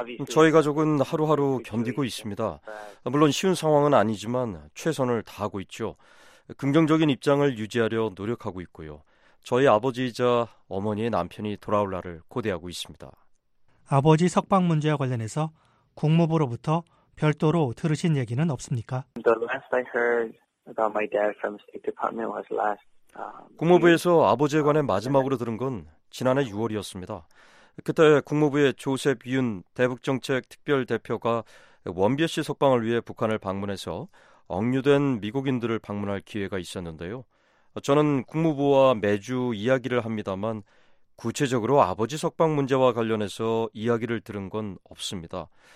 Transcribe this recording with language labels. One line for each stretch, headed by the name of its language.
Korean: 저희 가족은 하루하루 견디고 있습니다. 물론 쉬운 상황은 아니지만 최선을 다하고 있죠. 긍정적인 입장을 유지하려 노력하고 있고요. 저희 아버지이자 어머니의 남편이 돌아올 날을 고대하고 있습니다. 아버지 석방 문제와 관련해서 국무부로부터 별도로 들으신 얘기는 없습니까?
English: The last I heard about my dad from the State Department was last
Korean: 국무부에서 아버지에 관해 마지막으로 들은 건 지난해 6월이었습니다. 그때 국무부의 조셉 윤 대북정책특별대표가 원비어 씨 석방을 위해 북한을 방문해서 억류된 미국인들을 방문할 기회가 있었는데요. 저는 국무부와 매주 이야기를 합니다만 구체적으로 아버지 석방 문제와 관련해서 이야기를 들은 건 없습니다.